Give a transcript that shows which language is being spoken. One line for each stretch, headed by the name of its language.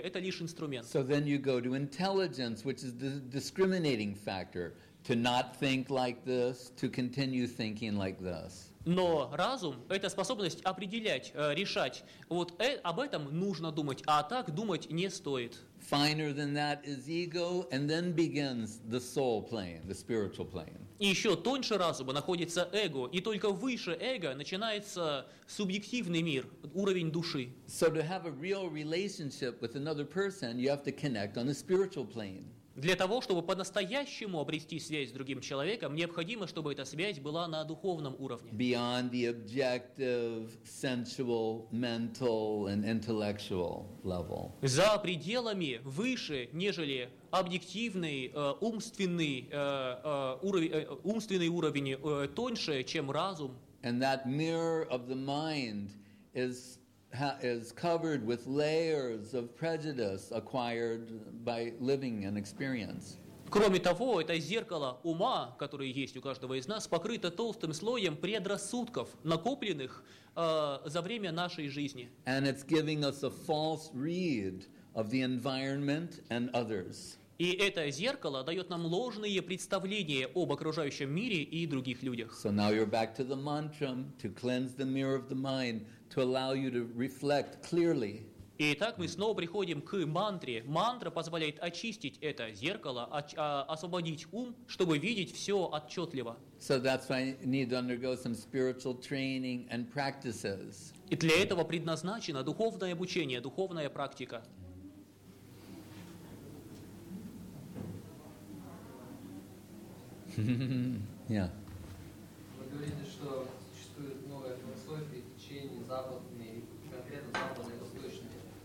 Russian: Это лишь инструмент.
English: So then you go to intelligence, which is the discriminating factor. To not think like this, to continue thinking like this.
Russian: Но разум — это способность определять, решать. Вот об этом нужно думать, а так думать не стоит.
English: Finer than that is ego, and then begins the soul plane, the spiritual plane.
Russian: И еще тоньше разума находится эго, и только выше эго начинается субъективный мир, уровень души.
English: So to have a real relationship with another person, you have to connect on the spiritual plane.
Russian: Для того, чтобы по-настоящему обрести связь с другим человеком, необходимо, чтобы эта связь была на духовном уровне.
English: Beyond the objective, sensual, mental, and intellectual level.
Russian: За пределами выше, нежели объективный, умственный уровень, тоньше, чем разум.
English: And that mirror of the mind is covered with layers of prejudice acquired by living and experience.
Russian: Кроме того, это зеркало ума, которое есть у каждого из нас, покрыто толстым слоем предрассудков, накопленных за время нашей жизни.
English: And it's giving us a false read of the environment and others.
Russian: И это зеркало дает нам ложные представления об окружающем мире и других людях.
English: So now you're back to the mantra to cleanse the mirror of the mind to allow you to reflect clearly.
Russian: Итак, мы снова приходим к мантре. Мантра позволяет очистить это зеркало, освободить ум, чтобы видеть все отчетливо.
English: So that's why you need to undergo some spiritual training and practices.
Russian: И для этого предназначено духовное обучение, духовная практика. Вы говорите, что существует много философий, течений западные, конкретно западные и восточные.